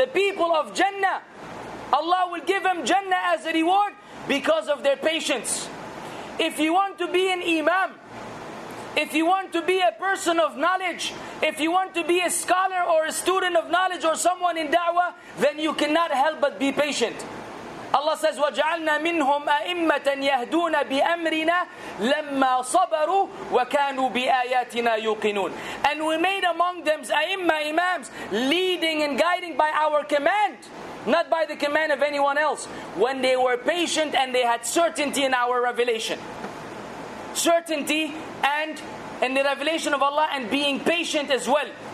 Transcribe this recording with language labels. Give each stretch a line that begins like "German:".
English: The people of Jannah, Allah will give them Jannah as a reward because of their patience. If you want to be an imam, if you want to be a person of knowledge, if you want to be a scholar or a student of knowledge or someone in da'wah, then you cannot help but be patient. Allah says,
Arabic: وَجَعَلْنَا مِنْهُمْ أَئِمَّةً يَهْدُونَ بِأَمْرِنَا لَمَّا صَبَرُوا وَكَانُوا بِآيَاتِنَا يُوقِنُونَ.
English: And we made among them imams, leading and guiding by our command, not by the command of anyone else, when they were patient and they had certainty in our revelation. Certainty and in the revelation of Allah and being patient as well.